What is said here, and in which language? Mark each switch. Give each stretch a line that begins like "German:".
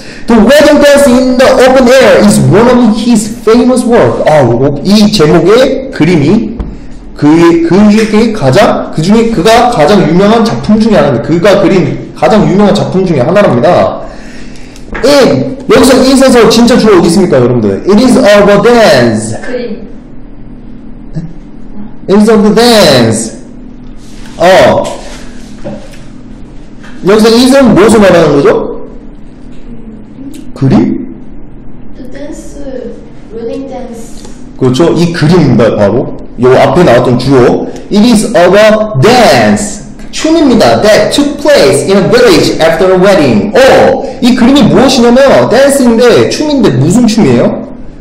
English: The wedding dance in the open air is one of his famous work.
Korean: 아, 이 제목의 그림이 그가 가장 유명한 작품 중에 하나입니다. 그가 그린 가장 유명한 작품 중에 하나랍니다. It, 여기서 it에서 진짜 주어 어디 있습니까, 여러분들?
English: It is of a dance.
Korean: 그림.
English: It is of the dance. 어.
Korean: 여기서 it은 무엇을 말하는 거죠? 그림?
English: The dance, wedding dance.
Korean: 그렇죠. 이 그림입니다, 바로. 요 앞에 나왔던 주어.
English: It is of a dance.
Korean: 춤입니다.
English: That took place in a village after a wedding.
Korean: 어, 이 그림이 무엇이냐면 댄스인데 춤인데 무슨 춤이에요?